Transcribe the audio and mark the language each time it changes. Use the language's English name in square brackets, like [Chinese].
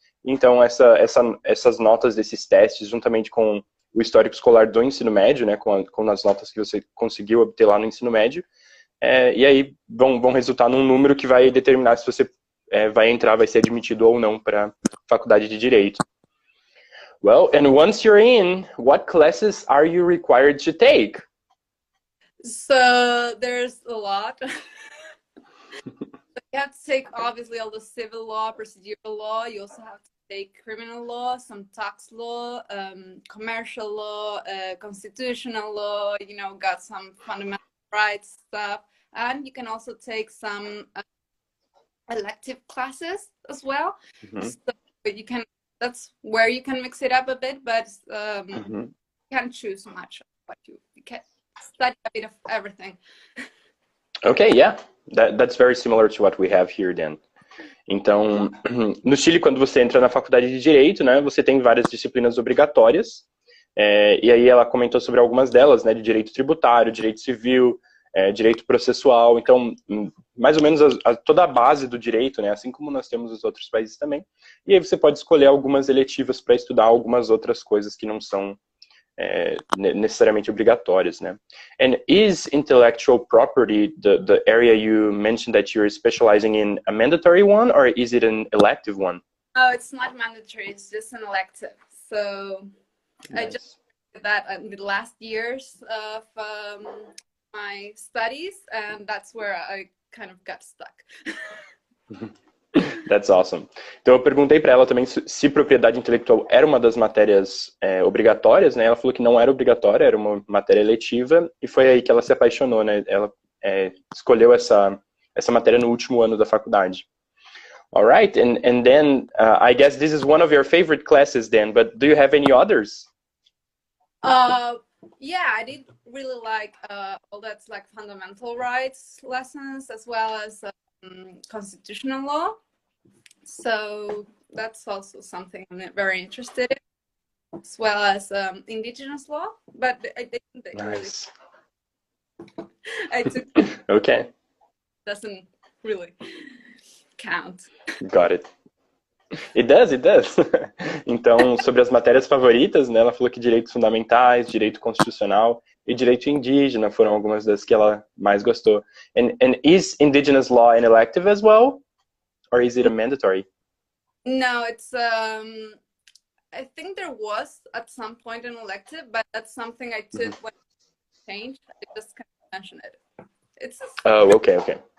[Portuguese] Então, essas notas desses testes, juntamente com o histórico escolar do ensino médio, né, com as notas que você conseguiu obter lá no ensino médio, e aí vão resultar num número que vai determinar se você vai entrar, vai ser admitido ou não para a faculdade de direito. [English] Well, and once you're in, what classes are you required to take? So, there's a lot. You have to take, obviously, all the civil law, procedural law. You also have to take criminal law, some tax law, commercial law, constitutional law, you know, got some fundamental rights stuff. And you can also take some elective classes as well. Mm-hmm. So you can, that's where you can mix it up a bit, but mm-hmm. you can't choose much. But you can study a bit of everything. Okay, yeah. That's very similar to what we have here then. [Portuguese] Então, no Chile, quando você entra na faculdade de Direito, né, você tem várias disciplinas obrigatórias, e aí ela comentou sobre algumas delas, né, de Direito Tributário, Direito Civil, Direito Processual, então, mais ou menos toda a base do Direito, né, assim como nós temos os outros países também, e aí você pode escolher algumas eletivas para estudar algumas outras coisas que não são necessariamente obrigatórias, né? [English] And is intellectual property the area you mentioned that you're specializing in a mandatory one, or is it an elective one? Oh, it's not mandatory, it's just an elective. So nice. I just did that in the last years of my studies, and that's where I kind of got stuck. That's awesome. [Portuguese] Então, eu perguntei para ela também se propriedade intelectual era uma das matérias obrigatórias, né? Ela falou que não era obrigatória, era uma matéria eletiva, e foi aí que ela se apaixonou, né? Ela escolheu essa matéria no último ano da faculdade. [English] All right, and then, I guess this is one of your favorite classes then, but do you have any others? Yeah, I did really like all that's like fundamental rights lessons, as well as constitutional law. So that's also something I'm very interested in, as well as indigenous law. But I think nice. Okay. Doesn't really count. Got it. It does. [Portuguese] Então, sobre as matérias favoritas, né? Ela falou que direitos fundamentais, direito constitucional e direito indígena foram algumas das que ela mais gostou. [English] And is indigenous law an elective as well? Or is it a mandatory? No, it's, I think there was at some point an elective, but that's something I took mm-hmm. when it changed. I just kind of mentioned it. It's just, oh, okay, okay.